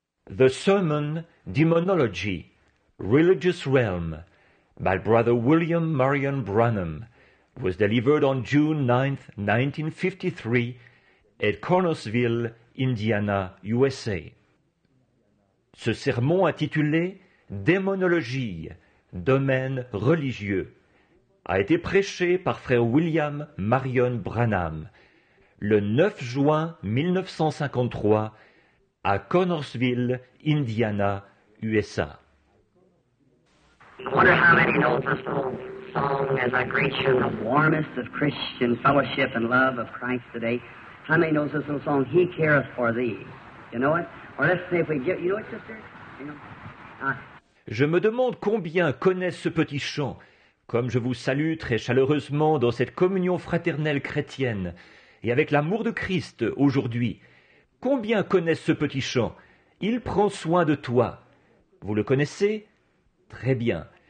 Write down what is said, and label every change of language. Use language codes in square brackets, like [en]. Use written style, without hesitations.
[en] The Sermon, Demonology, Religious Realm, by Brother William Marion Branham, was delivered on June 9, 1953, at Cornersville, Indiana, USA. [fr] Ce sermon intitulé « Démonologie, domaine religieux » a été prêché par Frère William Marion Branham le 9 juin 1953 à Cornersville, Indiana, USA. [en] I wonder how many know this little song as I greet you, the warmest of Christian fellowship and love of Christ today. How many knows this little song, He Careth for Thee? You know it? Or let's say if we get, you know it, sister? You know? [fr] Je me demande combien connaissent ce petit chant. Comme je vous salue très chaleureusement dans cette communion fraternelle chrétienne et avec l'amour de Christ aujourd'hui, combien connaissent ce petit chant ? Il prend soin de toi. Vous le connaissez ? Très bien.